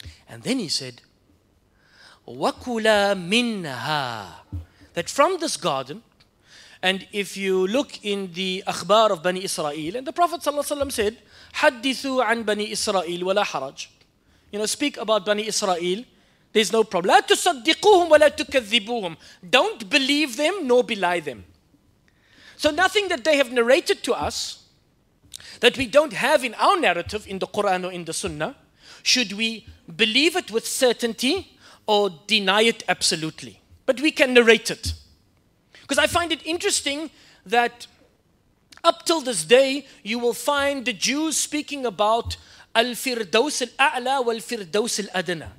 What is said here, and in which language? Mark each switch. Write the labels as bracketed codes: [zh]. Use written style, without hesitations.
[en] And then he said, wakula minha, that from this garden. And if you look in the akhbar of Bani Israel, and the Prophet ﷺ said, [ar] حَدِّثُوا عَنْ بَنِي إِسْرَائِيلِ وَلَا حَرَجٍ. [en] You know, speak about Bani Israel. There's no problem. [ar] لَا تُصَدِّقُوهُمْ وَلَا تُكَذِّبُوهُمْ. [en] Don't believe them nor belie them. So nothing that they have narrated to us, that we don't have in our narrative, in the Quran or in the Sunnah, should we believe it with certainty or deny it absolutely? But we can narrate it. Because I find it interesting that up till this day, you will find the Jews speaking about Al-Firdaus Al-A'la wal-Firdaus Al-Adna.